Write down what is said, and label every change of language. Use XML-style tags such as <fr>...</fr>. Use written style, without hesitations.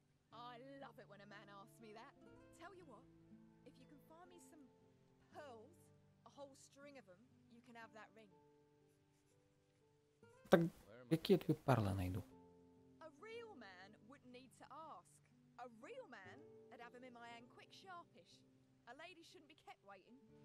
<en>I love it when a man asks me that. Tell you what, if you can find me some pearls, a whole string of them, you can have that ring.</en> <uk>Так, які я тобі перли знайду?</uk> <en>A real man wouldn't need to ask. A real man would have them in my hand quick sharpish. A lady shouldn't be kept waiting.</en>